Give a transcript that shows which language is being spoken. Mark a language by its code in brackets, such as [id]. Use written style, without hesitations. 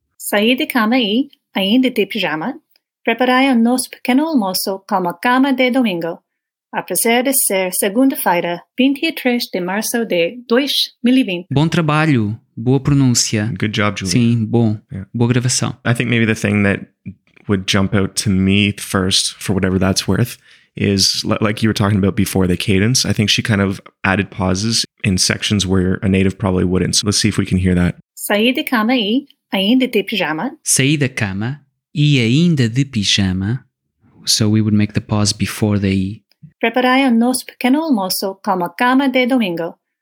[pt] Saí de cama e, ainda de pijama, preparei o nosso pequeno almoço com a cama de domingo. Apesar de ser segunda-feira, 23 de março de 2020. Bom trabalho. Boa pronúncia. [en] Good job, Julia. [pt] Sim, bom. Yeah. Boa gravação. [en] I think maybe the thing that would jump out to me first, for whatever that's worth, is like you were talking about before, the cadence. I think she kind of added pauses in sections where a native probably wouldn't. So let's see if we can hear that. [pt] Saí de cama e ainda de pijama. Saí da cama e ainda de pijama. [en] So we would make the pause before the e. [pt] Preparei o nosso pequeno almoço com a cama de domingo.